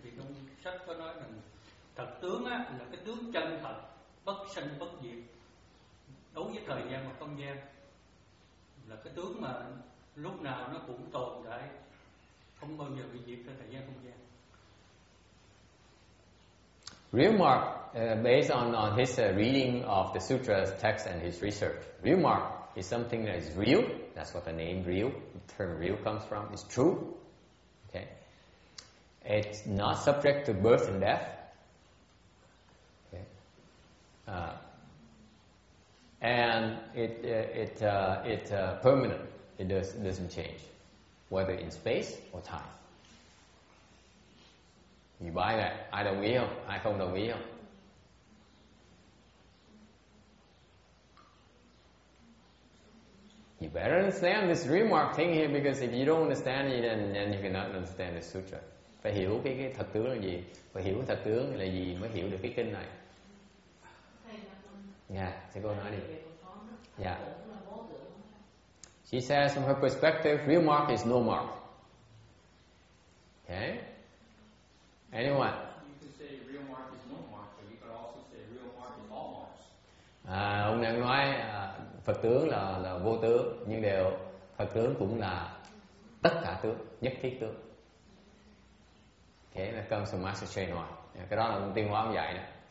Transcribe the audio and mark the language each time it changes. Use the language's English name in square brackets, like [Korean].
[Vietnamese] Thì trong sách có nói rằng thực tướng á, là cái tướng chân thật, bất sanh bất diệt, đối với thời gian và không gian, là cái tướng mà lúc nào nó cũng tồn tại, không bao giờ bị diệt trong thời gian không gian. [English] Real mark, based on his reading of the sutras text and his research, real mark is something that is real. That's what the name real, the term real comes from. It's true. Okay. It's not subject to birth and death. Okay. And it's permanent. It doesn't change, whether in space or time. You buy that? I don't will. I don't will. You better understand this remark thing here, because if you don't understand it, then you cannot understand the sutra. [Vietnamese] Phải hiểu cái thật tướng là gì? Phải hiểu thật tướng là gì mới hiểu được cái kinh này. [English] Yeah, [Vietnamese] cô nói đi. [English] Yeah. She says from her perspective, real mark is no mark. Okay? Anyone? You can say real mark is no mark, but you could also say real mark is all marks. [Vietnamese] À, ông đang nói Phật tướng là vô tướng, nhưng đều Phật tướng cũng là tất cả tướng, nhất thiết tướng. [English] Okay, that comes from Master Chenoy. [Vietnamese] Yeah, cái đó là tiếng Hoa ông dạy đó.